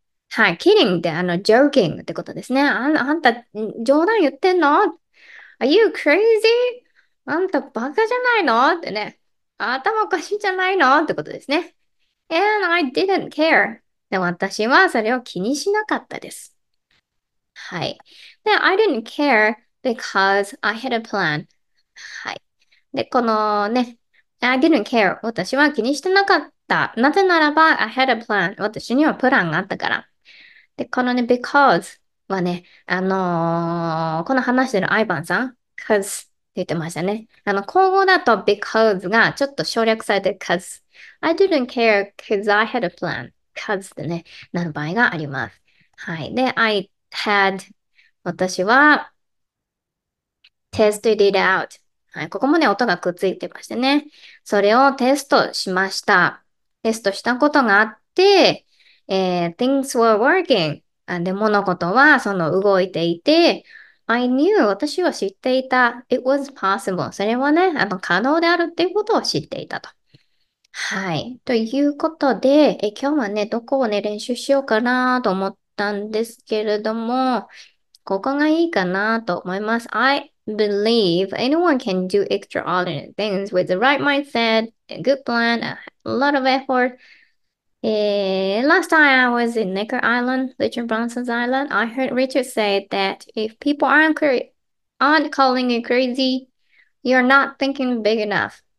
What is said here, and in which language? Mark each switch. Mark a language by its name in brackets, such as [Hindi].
[Japanese] はい、kidding って、joking ってことですね。あんた、冗談言ってんの？ [English] Are you crazy? [Japanese] あんたバカじゃないの？ってね。頭おかしいじゃないの？ってことですね。 [English] And I didn't care. [Japanese] で、私はそれを気にしなかったです。はい。 [English] で、I didn't care because I had a plan. [Japanese] はい。 [English] で、 [Japanese] このね、 [English] I didn't care. [Japanese] 私は気にしてなかった。なぜならば、 [English] I had a plan. [Japanese] 私にはプランがあったから。で、このね、because はね、この話してるアイバンさん。 Cause って言ってましたね。口語だと because がちょっと省略されて cause。 [English] I didn't care because I had a plan. [Japanese] cause ってね、なる場合があります。はい。 [English] で、I had, [Japanese] 私は [English] tested it out。 [Japanese] はい。ここもね、音がくっついてましたね。それをテストしました。テストしたことがあって、 [English] things were working。 [Japanese] で、物事はその動いていて、 [English] I knew, [Japanese] 私は知っていた。 [English] It was possible. [Japanese] それはね、可能であるっていうことを知っていたと。はい。ということで、今日はね、どこをね、練習しようかなと思ったんですけれども、ここがいいかなと思います。 [English] I believe anyone can do extraordinary things with the right mindset, a good plan, a lot of effort. Last time I was in Necker Island, Richard Branson's Island, I heard Richard say that if people aren't calling you crazy, you're not thinking big enough.